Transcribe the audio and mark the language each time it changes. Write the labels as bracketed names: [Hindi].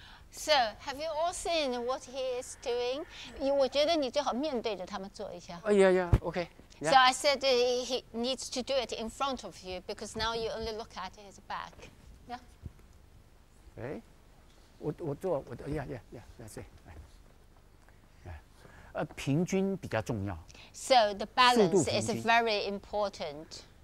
[English] So, have you all seen what he is doing? [Chinese] You, 我觉得你最好面对着他们做一下。 [English] Oh, yeah, yeah, okay. Yeah. So I said he needs to do it in front of you because now you only look at his back. Yeah. Hey, [Chinese] 我做我的 [English] yeah, yeah, yeah, that's it. Yeah. [Chinese] 平均比较重要。 [English] So the balance is very important.